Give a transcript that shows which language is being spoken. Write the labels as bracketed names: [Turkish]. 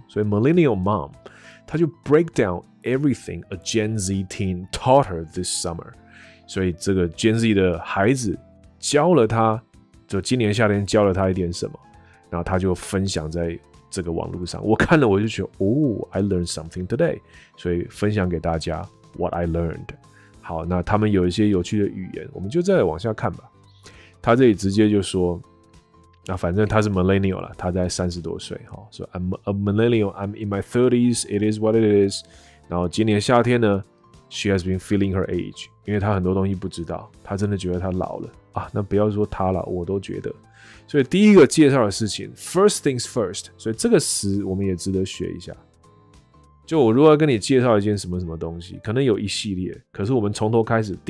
[Chinese] 所以 Millennial Mom 她就 [English] break down everything a Gen Z teen taught her this summer， [Chinese] 所以这个 Gen Z 的孩子教了她，就今年夏天教了他一点什么，然后他就分享在这个网络上。我看了我就觉得，哦 ， [English] I learned something today， [Chinese] 所以分享给大家 [English] what I learned。 [Chinese] 好，那他们有一些有趣的语言，我们就再往下看吧。他这里直接就说，那反正他是 millennial 了，他在30多岁，哈，说 [English] I'm a millennial， I'm in my 30s， it is [Chinese] what it is。然后今年夏天呢 ， [English] she has been feeling her age， [Chinese] 因为他很多东西不知道，他真的觉得他老了。啊，那不要说他了，我都觉得。所以第一个介绍的事情 ， [English] first things first， [Chinese] 所以这个词我们也值得学一下。就我如果要跟你介绍一件什么什么东西，可能有一系列，可是我们从头开始。